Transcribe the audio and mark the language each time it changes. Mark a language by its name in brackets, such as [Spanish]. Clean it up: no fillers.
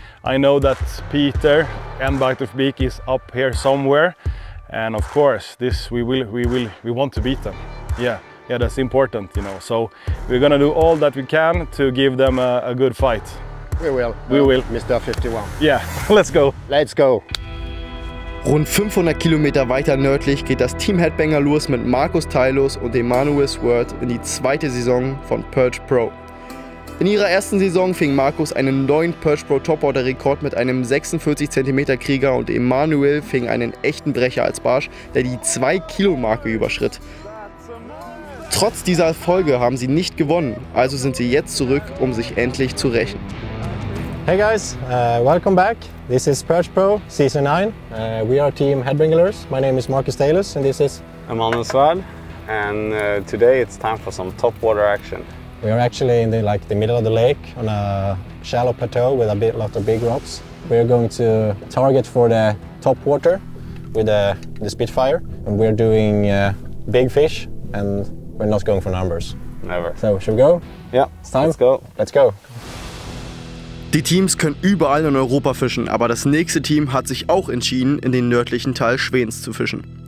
[English] I know that Peter and Bite of Bleak is up here somewhere, and of course this we want to beat them. Yeah, that's important, you know. So we're gonna do all that we can to give them a good fight. We will, Mr. 51. Yeah, let's go. Let's go. [German] Rund 500 Kilometer weiter nördlich geht das Team Headbanger los mit Markus Teilos und Emanuel Swert in die zweite Saison von Perch Pro. In ihrer ersten Saison fing Markus einen neuen Perch Pro Topwater-Rekord mit einem 46 cm Krieger und Emanuel fing einen echten Brecher als Barsch, der die 2-Kilo-Marke überschritt. Trotz dieser Erfolge haben sie nicht gewonnen, also sind sie jetzt zurück, um sich endlich zu rächen. [English] Hey guys, welcome back. This is Perch Pro Season 9. We are Team Headbanglers. My name is Markus Teilos and this is Emanuel Swert. And today it's time for some topwater action. We are actually in the middle of the lake on a shallow plateau with a lot of big rocks. We are going to target for the top water with the Spitfire, and we're doing big fish, and we're not going for numbers. Never. So should we go? Yeah. It's time. Let's go. Let's go. [German] Die Teams können überall in Europa fischen, aber das nächste Team hat sich auch entschieden, in den nördlichen Teil Schwedens zu fischen.